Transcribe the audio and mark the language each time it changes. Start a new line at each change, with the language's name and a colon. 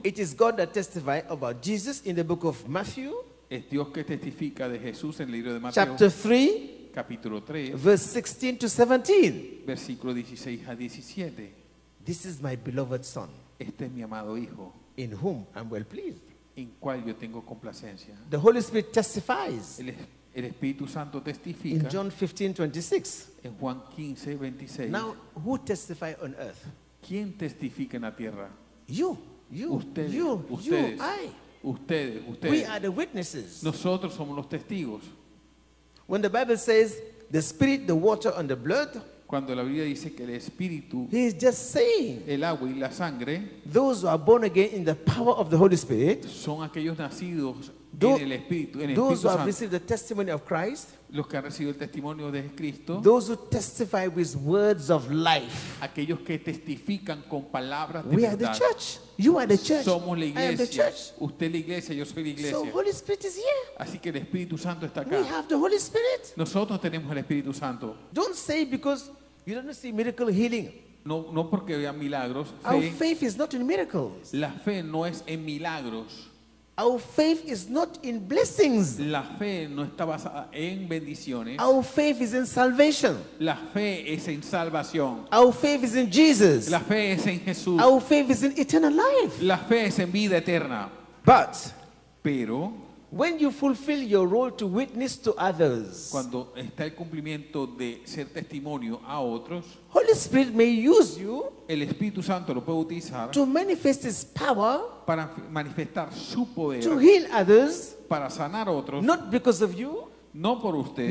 English: It is God that testifies about Jesus in the book of Matthew.
Spanish: Es Dios que testifica de Jesús en el libro de Mateo.
English: Chapter 3,
Spanish: capítulo 3,
English: verse 16 to 17.
Spanish: Versículo 16 a 17.
English: This is my beloved son.
Spanish: Este es mi amado hijo.
English: In whom I'm well pleased.
Spanish: En cual yo tengo complacencia.
English: The Holy Spirit testifies.
Spanish: El Espíritu Santo testifica.
English: In John 15:26.
Spanish: En Juan 15:26.
English: Now, who testify on earth?
Spanish: ¿Quién testifica en la tierra?
English: You.
Spanish: Ustedes.
English: You, I.
Spanish: Ustedes.
English: We are the witnesses.
Spanish: Nosotros somos los testigos.
English: When the Bible says the Spirit, the water, and the blood.
Spanish: Cuando la Biblia dice que el Espíritu,
English: he is just saying,
Spanish: el agua y la sangre,
English: those who are born again in the power of the Holy Spirit,
Spanish: son aquellos nacidos en el Espíritu Santo,
English: those who have received the testimony of Christ,
Spanish: los que han recibido el testimonio de Cristo,
English: those who testify with words of life,
Spanish: aquellos que testifican con palabras de
English: we
Spanish: verdad.
English: We are the church. You are the church.
Spanish: Somos la iglesia.
English: I am the church.
Spanish: Usted es la iglesia, yo soy la iglesia.
English: So Holy Spirit is here.
Spanish: Así que el Espíritu Santo está acá.
English: We have the Holy Spirit.
Spanish: Nosotros tenemos el Espíritu Santo.
English: Don't say because you don't see miracle healing.
Spanish: No porque vean milagros.
English: Our faith is not in miracles.
Spanish: La fe no es en milagros.
English: Our faith is not in blessings.
Spanish: La fe no está basada en bendiciones.
English: Our faith is in salvation.
Spanish: La fe es en salvación.
English: Our faith is in Jesus.
Spanish: La fe es en Jesús.
English: Our faith is in eternal life.
Spanish: La fe es en vida eterna.
English: But,
Spanish: pero,
English: when you fulfill your role to witness to others,
Spanish: cuando está el cumplimiento de ser testimonio a otros,
English: Holy Spirit may use you,
Spanish: el Espíritu Santo lo puede utilizar,
English: to manifest His power,
Spanish: para manifestar su poder,
English: to heal others,
Spanish: para sanar otros,
English: not because of you,
Spanish: no por usted,